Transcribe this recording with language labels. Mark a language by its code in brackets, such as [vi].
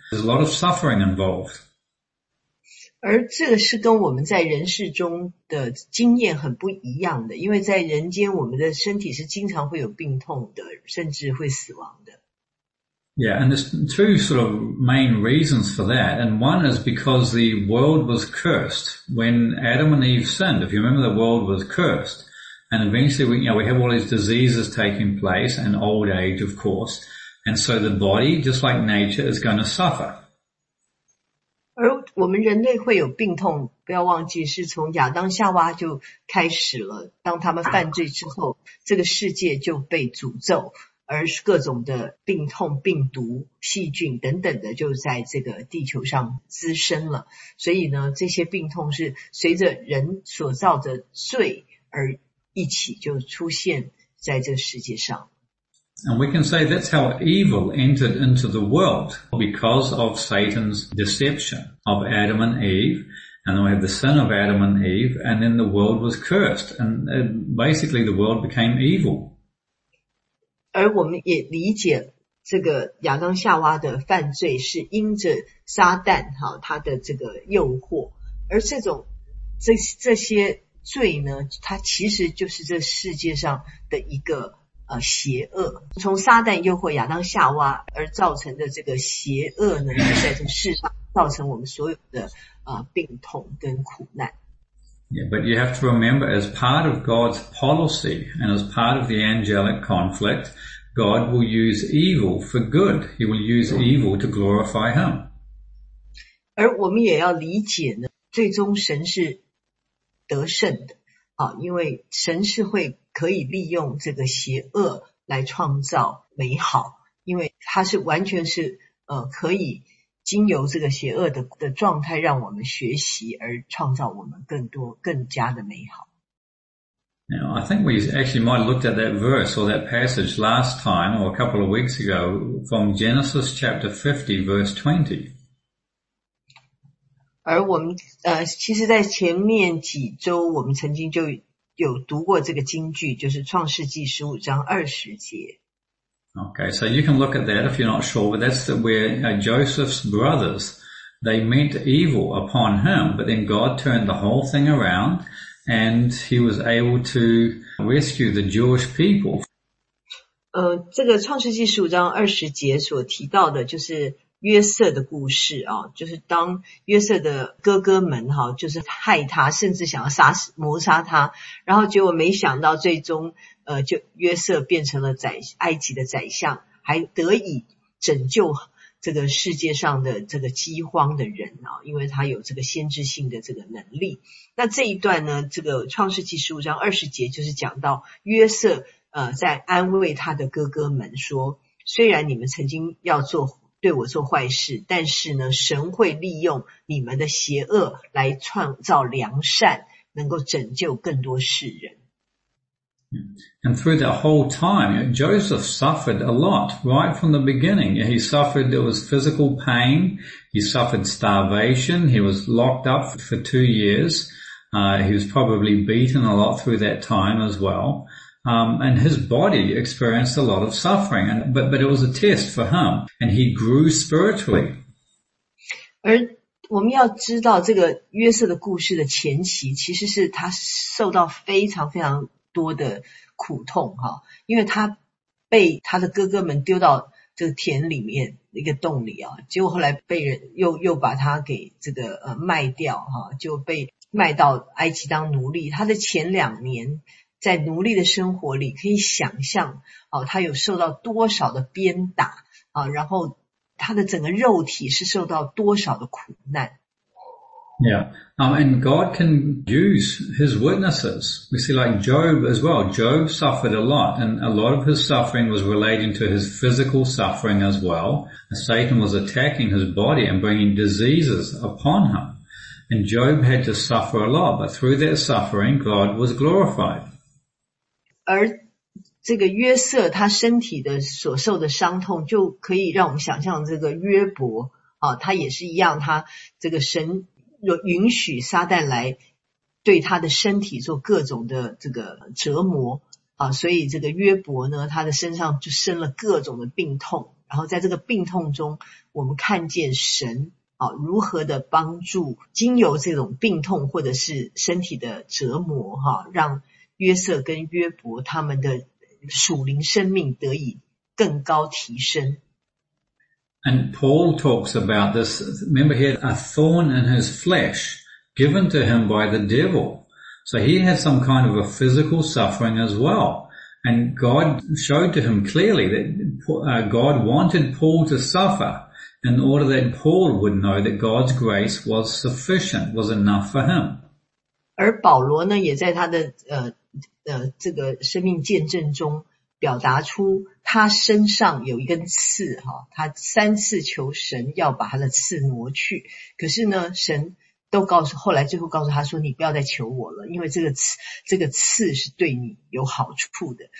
[en] There's a lot of suffering involved. [zh] 而这个是跟我们在人世中的经验很不一样的，因为在人间我们的身体是经常会有病痛的，甚至会死亡的。 [en] Yeah, and there's two sort of main reasons for that. And one is because the world was cursed when Adam and Eve sinned. If you remember, the world was cursed. And eventually we, you know, we have all these diseases taking place and old age, of course. And so the body, just like nature, is going to suffer. [zh] 而我们人类会有病痛，不要忘记是从亚当夏娃就开始了，当他们犯罪之后，这个世界就被诅咒，而各种的病痛、病毒、细菌等等的就在这个地球上滋生了，所以呢，这些病痛是随着人所造的罪而一起就出现在这个世界上。 [en] And we can say that's how evil entered into the world, because of Satan's deception of Adam and Eve, and then we have the sin of Adam and Eve, and then the world was cursed, and basically the world became evil. [zh] 而我们也理解这个亚当夏娃的犯罪是因着撒旦他的这个诱惑，而这些罪呢，它其实就是这世界上的一个邪恶，从撒旦诱惑亚当夏娃而造成的这个邪恶呢，就在这世上造成我们所有的病痛跟苦难。 [en] Yeah, but you have to remember, as part of God's policy and as part of the angelic conflict, God will use evil for good. He will use evil to glorify Him. [zh] 而我们也要理解呢，最终神是得胜的因为神是会。可以利用这个邪恶来创造美好，因为它是完全是可以经由这个邪恶的状态让我们学习而创造我们更多更加的美好。 [en] Now, I think we actually might have looked at that verse or that passage last time or a couple of weeks ago from Genesis chapter 50 verse 20. [zh] 而我们其实在前面几周我们曾经就有读过这个经句，就是创世纪十五章二十节。 [en] Okay, so you can look at that if you're not sure, but that's where Joseph's brothers, they meant evil upon him, but then God turned the whole thing around, and he was able to rescue the Jewish people. [zh] 这个创世纪十五章二十节所提到的就是约瑟的故事就是当约瑟的哥哥们就是害他，甚至想要谋杀他，然后结果没想到最终就约瑟变成了埃及的宰相，还得以拯救这个世界上的这个饥荒的人因为他有这个先知性的这个能力。那这一段呢，这个创世纪十五章二十节就是讲到约瑟在安慰他的哥哥们说，虽然你们曾经要做对我做坏事，但是呢，神会利用你们的邪恶来创造良善，能够拯救更多世人。 [en] And through that whole time, Joseph suffered a lot right from the beginning. He suffered, there was physical pain. He suffered starvation. He was locked up for 2 years. He was probably beaten a lot through that time as well. And his body experienced a lot of suffering, but it was a test for him, and he grew spiritually. [zh] 而我们要知道这个约瑟的故事的前期，其实是他受到非常非常多的苦痛，因为他被他的哥哥们丢到这个田里面一个洞里，结果后来被人又把他给这个卖掉，就被卖到埃及当奴隶。他的前两年在奴隶的生活里，可以想象他有受到多少的鞭打，然后他的整个肉体是受到多少的苦难。 [en] Yeah, and God can use his witnesses. We see like Job as well. Job suffered a lot, and a lot of his suffering was relating to his physical suffering as well. Satan was attacking his body and bringing diseases upon him. And Job had to suffer a lot, but through that suffering, God was glorified. [zh] 而这个约瑟他身体的所受的伤痛，就可以让我们想象这个约伯，他也是一样，他这个神允许撒旦来对他的身体做各种的这个折磨，所以这个约伯呢，他的身上就生了各种的病痛，然后在这个病痛中，我们看见神，如何的帮助经由这种病痛或者是身体的折磨，让约瑟跟约伯他们的属灵生命得以更高提升。 [en] And Paul talks about this, remember he had a thorn in his flesh given to him by the devil. So he had some kind of a physical suffering as well. And God showed to him clearly that God wanted Paul to suffer in order that Paul would know that God's grace was sufficient, was enough for him. [zh] 而保罗呢，也在他的这个生命见证中表达出他身上有一根刺，他三次求神要把他的刺挪去，可是呢神都告诉，后来最后告诉他说，你不要再求我了，因为这个刺是对你有好处的。